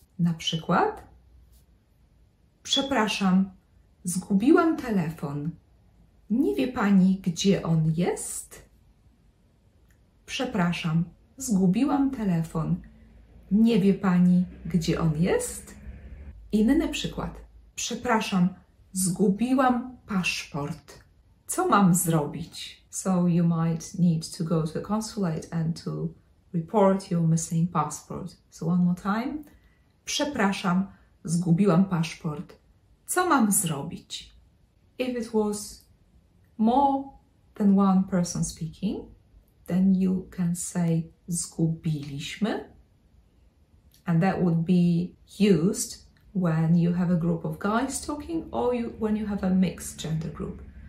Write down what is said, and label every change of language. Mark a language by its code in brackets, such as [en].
[pl] Na przykład, przepraszam, zgubiłam telefon, nie wie pani, gdzie on jest? Przepraszam, zgubiłam telefon. Nie wie pani, gdzie on jest? Inny przykład. Przepraszam, zgubiłam paszport. Co mam zrobić? [en] So you might need to go to a consulate and to report your missing passport. So one more time. [pl] Przepraszam, zgubiłam paszport. Co mam zrobić? [en] If it was more than one person speaking, then you can say zgubiliśmy, and that would be used when you have a group of guys talking or when you have a mixed gender group.